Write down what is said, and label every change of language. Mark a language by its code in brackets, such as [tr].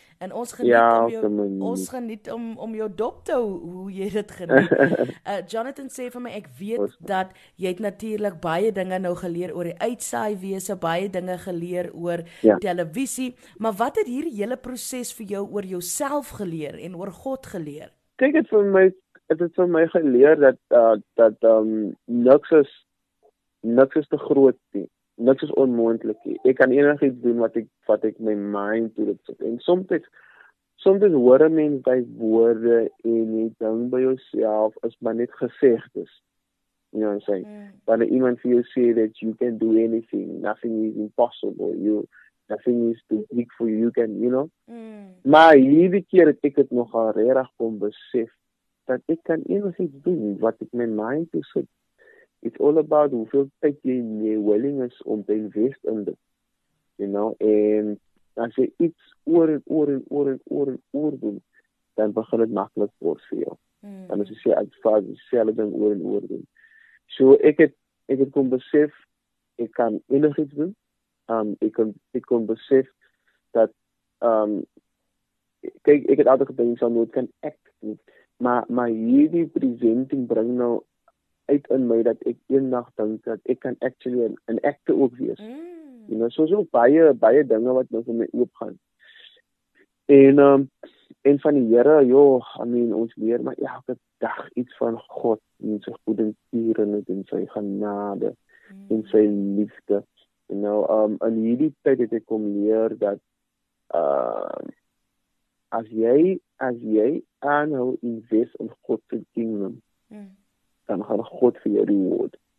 [af] En ons geniet om jou dop te hou hoe jy dit geniet. Jonathan sê vir my, ek weet dat jy het natuurlik baie dinge nou geleer oor die uitsaaiwese, baie dinge geleer oor televisie, maar wat het hierdie hele proses vir jou oor jouself geleer en oor God geleer? Kyk dit vir my. Het het van my geleer dat niks is te groot nie. Niks is onmoontlik nie. Ek kan enigiets doen wat ek my mind toe dit sit. En soms hoor 'n mens by woorde en jy dink by jouself is maar net gesegdes. [en] You know what I'm saying? [af] Wanneer iemand vir jou sê [en] that you can do anything, nothing is impossible, nothing is too big for you, you can. [af] Maar hierdie keer het ek het nogal regtig kom besef dat ek kan enigiets doen wat ek my mind toe sit. [en] It's all about [af] hoeveel tyd jy in jou willingness om te invest in dit. [en] You know, [af] and as jy iets oor en oor doen, dan begin dit maklik word vir jou. En as jy sê, ek vaar dieselfde ding oor en oor doen. So ek het kon besef, ek kan enigiets doen. Ek kon besef dat, kyk, ek het altijd gedink, ek sal nooit kan act doen. Maar hierdie presenting bring nou uit in my dat ek eendag dink dat ek kan [en] actually an actor [af] ook wees. Mm. [en] You know, [af] soos ook baie dinge wat nou vir my oopgaan. En van die Here, ons leer maar elke dag iets van God en sy goedertierenheid en sy genade en sy liefde. [en] You know, [af] in hierdie tyd het ek kom leer dat as jy aanhou invest in God se kingdom, dan gaan God vir jou reward.